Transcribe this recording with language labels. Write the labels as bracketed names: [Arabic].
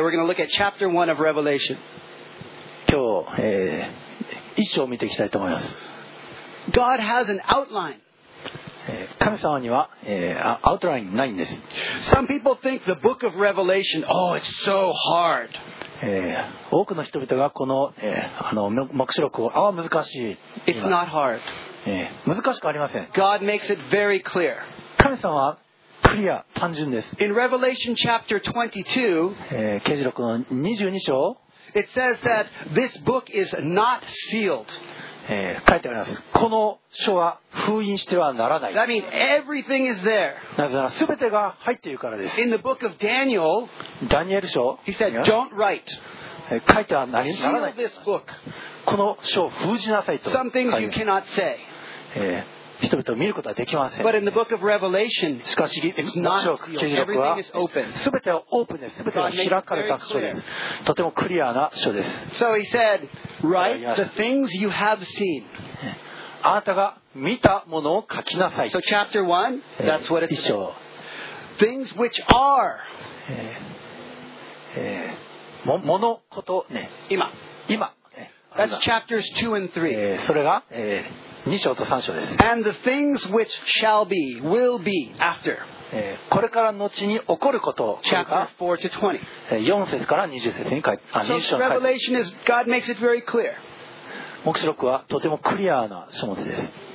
[English] We're going to look at chapter 1 of Revelation. [Japanese] 今日、一章を見ていきたいと思います。 [English] God has an outline. [Japanese] 神様には、アウトラインないんです。 [English] Some people think the book of Revelation, oh, it's so hard. [Japanese] 多くの人々がこの、黙示録を、ああ、難しい。 [English] It's not hard. [Japanese] 難しくありません。 [English] God makes it very clear. [Japanese] 神様はクリア単純です。 [English] In Revelation chapter 22, [Japanese] 啓示録の22章、 [English] it says that this book is not sealed. [Japanese] 書いてあります。この書は封印してはならない。 [English] That means everything is there. [Japanese] なぜなら全てが入っているからです。 [English] In the book of Daniel, [Japanese] ダニエル書、 [English] he said, don't write. [Japanese] 書いてはならない。 [English] Seal this book. [Japanese] この書を封じなさいと。 [English] Some things you cannot say. [Japanese] 人々を見ることはできません。 [English] But in the book of Revelation, [Japanese] しかし、聖書は全てはオープンです。全ては開かれた書です。とてもクリアな書です。 [English] So he said, write the things you have seen. [Japanese] あなたが見たものを書きなさい。 [English] So chapter 1, that's what it's called. Things which are. [Japanese] ものことね。今。今。 [English] That's chapters 2 and 3. [Japanese] それが、2章と3章です。 [English] And the things which shall be, will be after. [Japanese] これから後に起こること。 [English] Chapter 4 to 20. [Japanese] 4節から20節に書いて、2章に書いて。 [English] So Revelation is, God makes it very clear. [Japanese] 黙示録はとてもクリアな書物です。